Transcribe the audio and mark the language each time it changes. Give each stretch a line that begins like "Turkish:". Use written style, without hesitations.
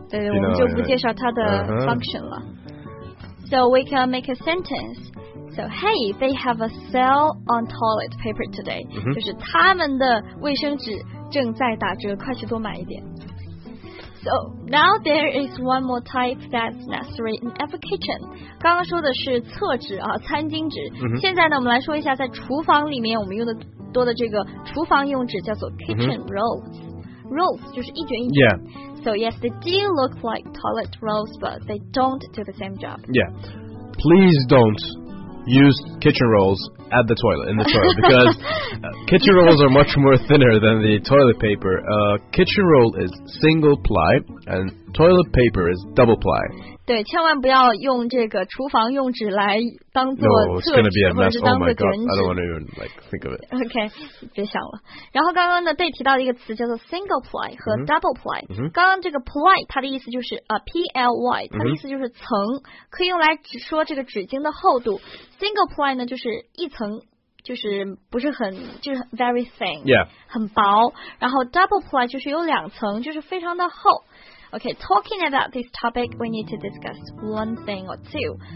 Chinese: 对我们就不介绍它的 function 了。
English: So we can make a sentence. So hey, they have a sale on toilet paper today.、
Chinese: 就是他们的卫生纸正在打折，快去多买一点。
English: So now there is one more type that's necessary in every kitchen.
Chinese: 刚刚说的是厕纸啊，餐巾纸。现在呢，我们来说一下在厨房里面我们用的多的这个厨房用纸叫做 kitchen rolls. Rolls 就是一卷一卷
English: So yes, they do look like toilet rolls, but they don't do the same job. Yeah. Please don't use kitchen rolls at the toilet, in the toilet, because kitchen rolls are much more thinner than the toilet paper. Kitchen roll is single ply, and toilet paper is double ply.
Chinese: 对千万不要用这个厨房用纸来当做
English: 厕纸 no, it's gonna be a mess.
Chinese: 或者是当做卷纸
English: Oh my god, I don't want to even like, think of it.
Chinese: OK, 别想了然后刚刚呢对提到一个词叫做 single ply 和 double ply、刚刚这个 ply 它的意思就是、P-L-Y 它的意思就是层、可以用来只说这个纸巾的厚度 single ply 呢就是一层就是不是很就是
English: very thin、
Chinese: 很薄然后 double ply 就是有两层就是非常的厚
English: Okay, talking about this topic, we need to discuss one thing or two.